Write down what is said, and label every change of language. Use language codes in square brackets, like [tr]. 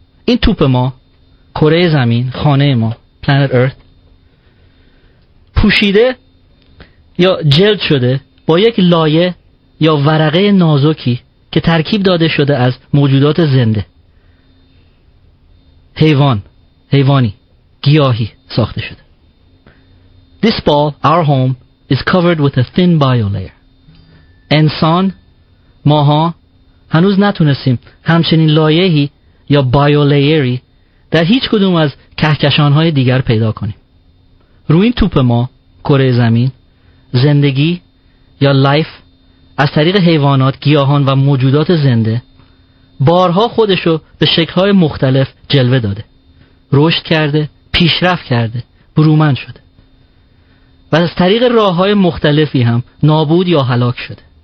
[fa] این توپ ما، کره زمین، خانه ما، [en] planet earth، [fa] پوشیده یا جلد شده با یک لایه یا ورقه نازکی که ترکیب داده شده از موجودات زنده، حیوان، حیوانی، گیاهی ساخته شده. [en] This ball, our home, is covered with a thin biolayer. [fa] انسان، ماها، هنوز نتونستیم همچنین لایه‌ای یا بایولایری در هیچ کدوم از کهکشان‌های دیگر پیدا کنیم. روی این توپ ما، کره زمین، زندگی یا لایف از طریق حیوانات، گیاهان و موجودات زنده بارها خودشو به شکل‌های مختلف جلوه داده، رشد کرده، پیشرفت کرده، برومند شده و از طریق راه‌های مختلفی هم نابود یا هلاک شده.